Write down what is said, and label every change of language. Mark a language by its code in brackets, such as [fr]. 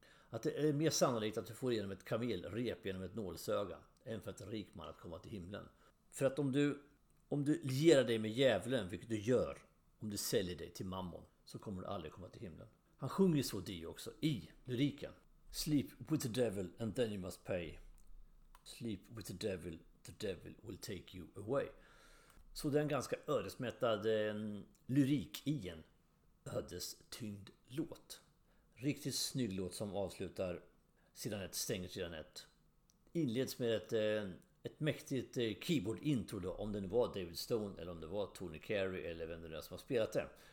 [sv] Att det är mer sannolikt att du får igenom ett kamelrep genom ett nålsöga än för att en rik man att komma till himlen. För att om du lierar dig med djävulen, vilket du gör, om du säljer dig till mammon, så kommer du aldrig komma till himlen. Han sjunger så Dio också i lyriken. [en] Sleep with the devil and then you must pay. Sleep with the devil will take you away. [sv] Så det är en ganska ödesmättad lyrik i en ödestyngd låt. Riktigt snygg låt som avslutar sidan ett, stänger sidan ett. Inleds med ett mäktigt keyboard intro då, om det nu var David Stone eller om det var Tony Carey eller vem det är som har spelat det.